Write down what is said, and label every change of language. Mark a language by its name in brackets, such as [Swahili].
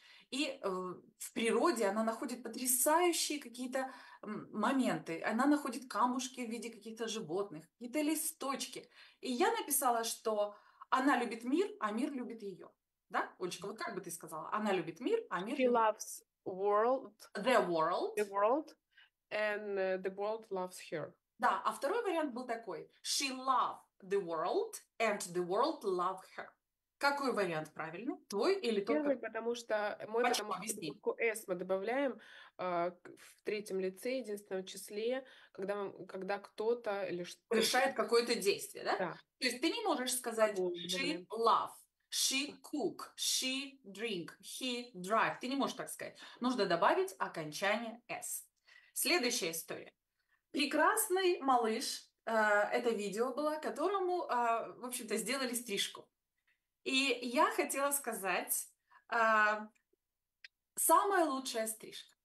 [Russian] И в природе она находит потрясающие какие-то моменты. Она находит камушки в виде каких-то животных, какие-то листочки. И я написала, что она любит мир, а мир любит ее. Да, Олечка, вот как бы ты сказала? Она любит мир, а мир [English] She [Russian] любит... [English] loves world, the world. The world, and the world loves her. [Russian] Да, а второй вариант был такой. [English] She loves the world, and the world loves her. [Russian] Какой вариант правильный? Твой или тот? Первый, потому что мы почему? потому что Объясни. С мы добавляем в третьем лице, единственном числе, когда кто-то или что-то... Решает какое-то действие, да? Да. То есть ты не можешь сказать Боже, [English] she loves. She cook, she drink, he drive. [Russian] Ты не можешь так сказать. Нужно добавить окончание s. Следующая история. Прекрасный малыш, это видео было, которому, в общем-то, сделали стрижку. И я хотела сказать, самая лучшая стрижка.